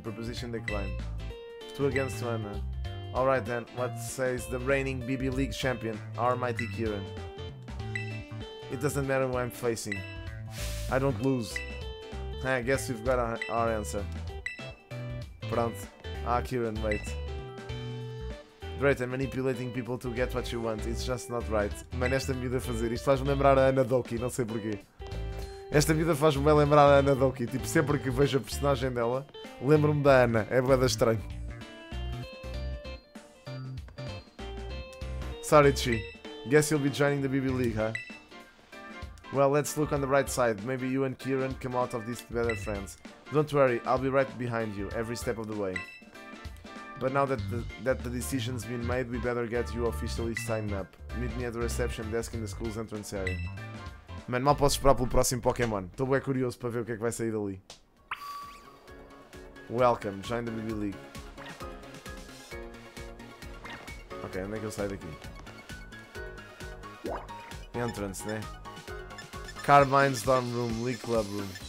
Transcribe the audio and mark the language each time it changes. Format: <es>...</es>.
<en>Proposition declined. 2-1, man. Alright then, what says the reigning BB League champion, our mighty Kieran? It doesn't matter who I'm facing. I don't lose. I guess we've got our answer.</en> <pt>Pronto.</pt> <en>Ah, Kieran, wait. Drayton, manipulating people to get what you want. It's just not right.</en> <pt>Mano, esta miúda fazer isto faz-me lembrar a Anna Doki, não sei porquê. Esta miúda faz-me lembrar a Anna Doki. Tipo, sempre que vejo a personagem dela, lembro-me da Anna. É bué da estranho.</pt> <en>Sorry, Chi. Guess you'll be joining the BB League, huh? Well, let's look on the bright side. Maybe you and Kieran come out of this better friends. Don't worry, I'll be right behind you, every step of the way. But now that the decision's been made, we better get you officially signed up. Meet me at the reception desk in the school's entrance area.</en> <pt>Man, mal posso esperar pelo próximo Pokémon. Estou bem curioso para ver o que é que vai sair dali.</pt> <en>Welcome, join the BB League.</en> <pt>Ok, onde é que eu saio daqui?</pt> <en>entrance, né? Carmine's Dorm Room, Lee Club Room.</en>